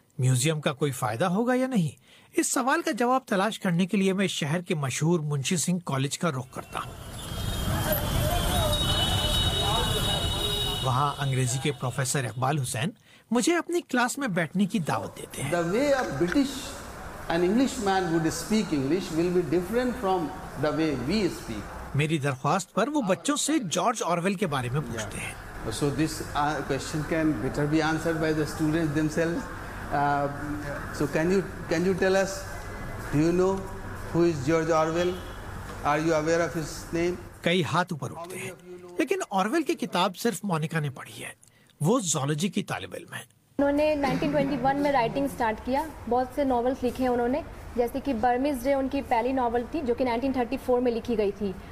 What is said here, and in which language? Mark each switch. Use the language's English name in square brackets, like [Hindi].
[Hindi] Museum का कोई फायदा होगा या नहीं? इस सवाल का जवाब तलाश करने के लिए मैं शहर के मशहूर मुंशी सिंह कॉलेज का रुख करता हूँ। वहाँ अंग्रेजी के प्रोफेसर इकबाल हुसैन मुझे अपनी क्लास में बैठने की दावत देते हैं। [English] The way a British and Englishman would speak English will be different from the way we speak. [Hindi] मेरी दरख्वास्त पर वो बच्चों से जॉर्ज ऑरवेल के बारे में पूछते हैं। [English] So this question can better be answered by the students themselves. So can you tell us, do you know who is George Orwell? Are you aware of his name? [Hindi] कई हाथ ऊपर उठते हैं, लेकिन ऑरवेल की किताब सिर्फ मोनिका ने पढ़ी है, वो जूलॉजी की तालिबे इल्म है। उन्होंने 1921 में राइटिंग स्टार्ट किया, बहुत से नॉवेल्स लिखे हैं उन्होंने, जैसे कि बर्मिज डे उनकी पहली नॉवल थी जो कि 1934 में लिखी गई थी।